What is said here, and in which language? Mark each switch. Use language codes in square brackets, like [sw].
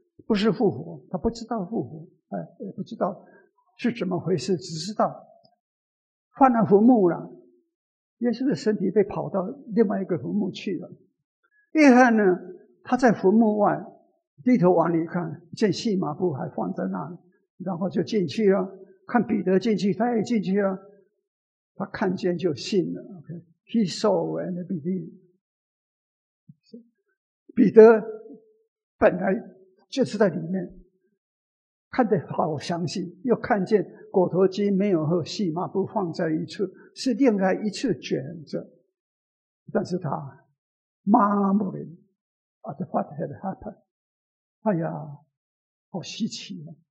[zh] 不是复活，他不知道复活，也不知道是怎么回事，只知道换了坟墓了，耶稣的身体被跑到另外一个坟墓去了。约翰呢，他在坟墓外低头往里看，见细麻布还放在那里，然后就进去了，看彼得进去，他也进去了，他看见就信了。 [en] Okay, he saw and believed。 [zh] 彼得本来就是在里面看得好详细，又看见裹头巾没有和细麻布放在一处，是另外一次卷着，但是他 [en] marveling at what had happened， [zh] 哎呀，好稀奇啊！